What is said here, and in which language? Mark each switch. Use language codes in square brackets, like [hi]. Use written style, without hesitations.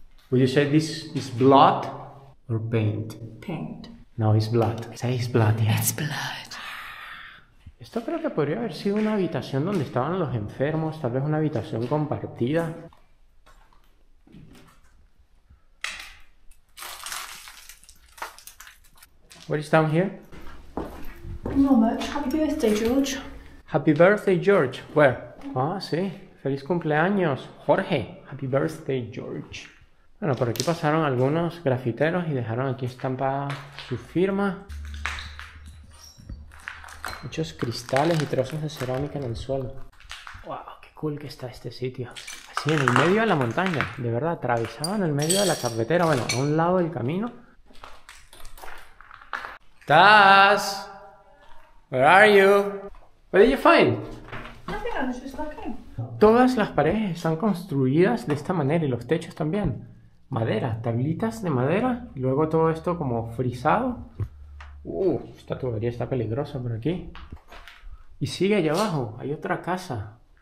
[en] Would you say this is blood or paint? Paint. No, it's blood. Say it's blood, yeah. It's blood. [es] Esto creo que podría haber sido una habitación donde estaban los enfermos, tal vez una habitación compartida. [en] What is down here? Not much. Happy birthday, George. Happy birthday, George. Where? [es] Ah, sí. Feliz cumpleaños, Jorge. [en] Happy birthday, George. [es] Bueno, por aquí pasaron algunos grafiteros y dejaron aquí estampada su firma. Muchos cristales y trozos de cerámica en el suelo. Wow, qué cool que está este sitio. Así, en el medio de la montaña. De verdad, atravesaban el medio de la carretera. Bueno, a un lado del camino. [en] Taz, where are you? What did you find? Nothing, I was just looking. [es] Todas las paredes están construidas de esta manera y los techos también. Madera, tablitas de madera, y luego todo esto como frisado. Esta tubería está peligrosa por aquí. Y sigue allá abajo, hay otra casa.